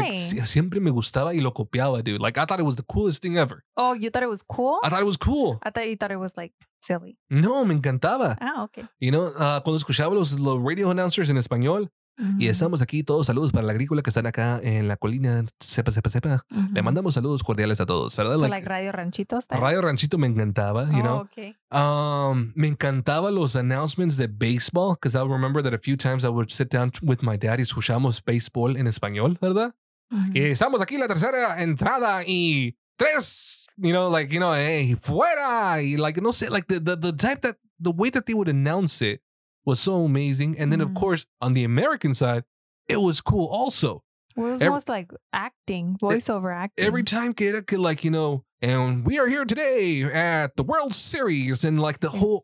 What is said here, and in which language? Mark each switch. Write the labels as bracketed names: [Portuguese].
[English] Like, [Spanish] siempre me gustaba y lo copiaba, dude. [English] Like, I thought it was the coolest thing ever. Oh, you thought it was cool? I thought it was cool. I thought you thought it was, like, silly. [Spanish] No, me encantaba. [English] Ah, okay. You know, [Spanish] cuando escuchaba los radio announcers en español, mm-hmm. y estamos aquí todos, saludos para la agrícola que están acá en la colina, sepa. Mm-hmm. Le mandamos saludos cordiales a todos, ¿verdad? [English] So like Radio Ranchito. [Spanish] ¿Sabes? Radio Ranchito me encantaba, [English] you know. Okay. [Spanish] Me encantaba los [English] announcements de baseball, because I remember that a few times I would sit down with my dad [Spanish] y escuchamos baseball en español, ¿verdad? [English] Mm-hmm. [Spanish] Y estamos aquí la tercera entrada y tres, hey, fuera. Y [English] like, [Spanish] no sé, [English] like the type that, the way that they would announce it was so amazing. And then, of course, on the American side, it was cool also. It was almost like acting, voiceover acting. Every time [Spanish] que era que, [English] like, you know, and we are here today at the World Series and like the and whole